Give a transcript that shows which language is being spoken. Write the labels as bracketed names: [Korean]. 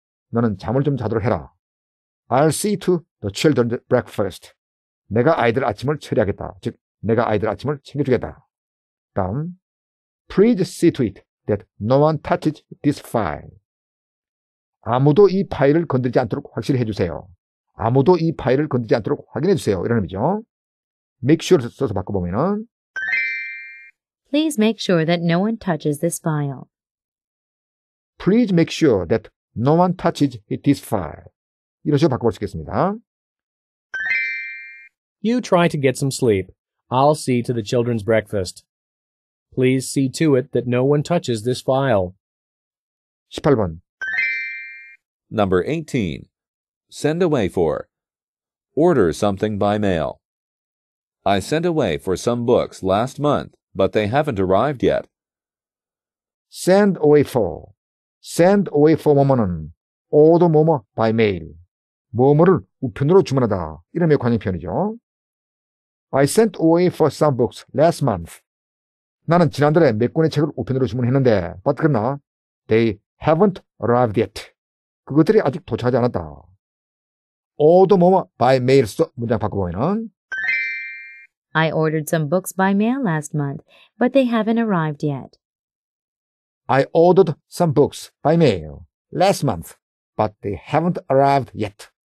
[Korean] 너는 잠을 좀 자도록 해라. [English] I'll see to the children's breakfast. [Korean] 내가 아이들 아침을 처리하겠다. 즉, 내가 아이들 아침을 챙겨주겠다. [English] 다음, please see to it that no one touches this file. [Korean] 아무도 이 파일을 건드리지 않도록 확실히 해주세요. 아무도 이 파일을 건드리지 않도록 확인해주세요. 이런 의미죠. Make sure 써서 바꿔보면 [English] Please make sure that no one touches this file. Please make sure that no one touches this file. [Korean] 이런 식으로 바꿔볼 수 있겠습니다. [English] You try to get some sleep. I'll see to the children's breakfast. Please see to it that no one touches this file. [Korean] 18번 [English] Number 18. Send away for. Order something by mail. I sent away for some books last month, but they haven't arrived yet. Send away for. Send away for 뭐뭐는 order 뭐뭐 by mail. [Korean] 뭐뭐를 우편으로 주문하다. 이름의 관용편이죠. [English] I sent away for some books last month. [Korean] 나는 지난달에 몇 권의 책을 우편으로 주문했는데, but 그러나 [English] they haven't arrived yet. [Korean] 그것들이 아직 도착하지 않았다. Order 뭐뭐 by mail 써 문장 바꿔보면은 [English] I ordered some books by mail last month, but they haven't arrived yet. I ordered some books by mail last month, but they haven't arrived yet.